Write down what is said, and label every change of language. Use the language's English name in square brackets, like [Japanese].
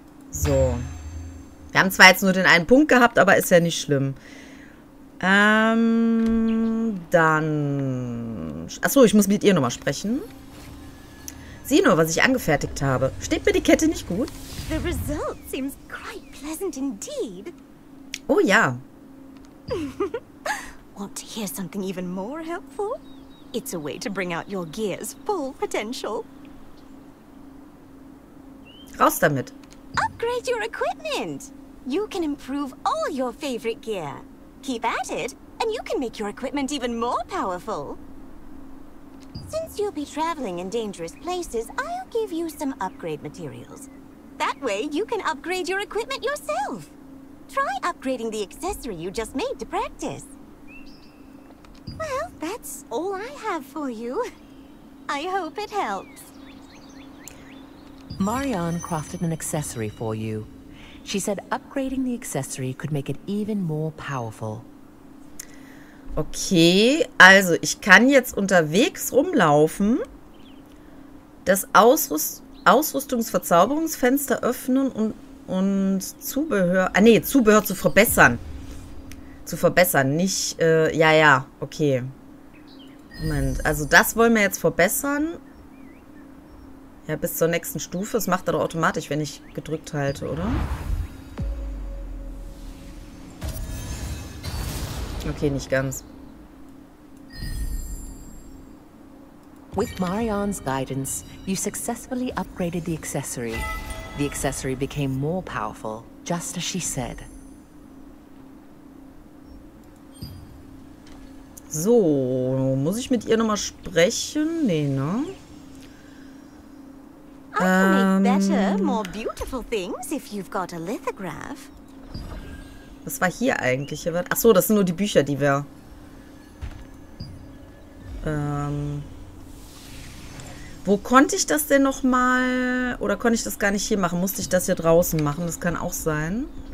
[German] So. Wir haben zwar jetzt nur den einen Punkt gehabt, aber ist ja nicht schlimm. Dann... Achso, ich muss mit ihr nochmal sprechen. Sieh nur, was ich angefertigt habe. Steht mir die Kette nicht gut? [English] The result seems quite pleasant indeed. [German] Oh ja. [English] Want to hear something even more helpful? It's a way to bring out your gear's full potential. [German] Raus damit. [English] Upgrade your equipment. You can improve all your favorite gear. Keep at it, and you can make your equipment even more powerful. Since you'll be traveling in dangerous places, I'll give you some upgrade materials. That way, you can upgrade your equipment yourself. Try upgrading the accessory you just made to practice. Well, that's all I have for you. I hope it helps. Marianne crafted an accessory for you. She said upgrading the accessory could make it even more powerful. [German] Okay, also ich kann jetzt unterwegs rumlaufen, das Ausrüstungsverzauberungsfenster öffnen und Zubehör... Ah nee, Zubehör zu verbessern. Zu verbessern, nicht... ja, okay. Moment, also das wollen wir jetzt verbessern. Ja, bis zur nächsten Stufe. Das macht er doch automatisch, wenn ich gedrückt halte, oder? Okay, nicht ganz. [English] With Marianne's guidance, you successfully upgraded the accessory. The accessory became more powerful, just as she said. [German] So, muss ich mit ihr nochmal sprechen? Nee, ne? [English] I can make better, more beautiful things if you've got a lithograph. [German] Was war hier eigentlich? Achso, das sind nur die Bücher, die wir... wo konnte ich das denn nochmal... Oder konnte ich das gar nicht hier machen? Musste ich das hier draußen machen? Das kann auch sein.